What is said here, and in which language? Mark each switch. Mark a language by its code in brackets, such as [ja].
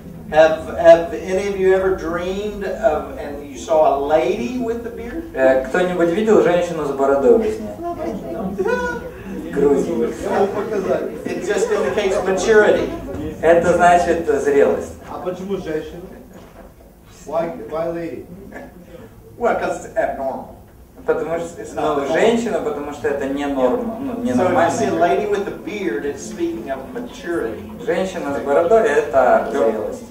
[en] Have any of you ever dreamed of and you saw a lady with a beard? [ru] Кто-нибудь видел женщину с бородой во сне? Грузин. [en] It just indicates maturity. [ru] Это значит зрелость. А почему женщина? [en] Why lady? Well, because it's abnormal. [ru] Потому что это женщина, потому что это не норма, не нормально. [en] So if you see a lady with a beard, it's speaking of maturity. [ru] Женщина с бородой — это зрелость.